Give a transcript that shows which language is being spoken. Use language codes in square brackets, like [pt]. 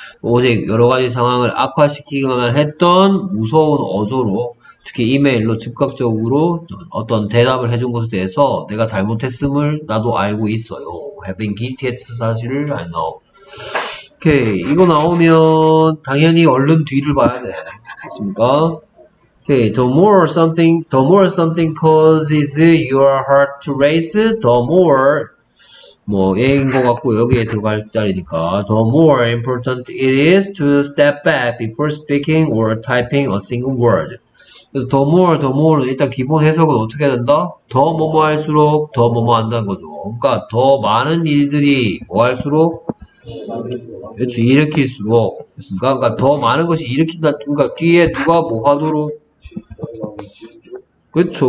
[ko] 오직 여러 가지 상황을 악화시키기만 했던 무서운 어조로, 특히 이메일로 즉각적으로 어떤 대답을 해준 것에 대해서 내가 잘못했음을 나도 알고 있어요. [en] Have been guilty [ko] 했던 사실을 [en] I know. 오케이. [ko] 이거 나오면 당연히 얼른 뒤를 봐야 돼. 됐습니까? 오케이. [en] The more something causes your heart to race, the more [ko] 뭐 얘인 것 같고 여기에 들어갈 자리니까 [en] the more important it is to step back before speaking or typing a single word. [ko] 그래서 the more 일단 기본 해석은 어떻게 해야 된다? 더 뭐뭐 할수록 더 뭐뭐 한다는 거죠. 그러니까 더 많은 일들이 뭐 할수록 그렇죠. 일으킬수록 그러니까 더 많은 것이 일으킨다. 그러니까 뒤에 누가 뭐 하도록 그렇죠.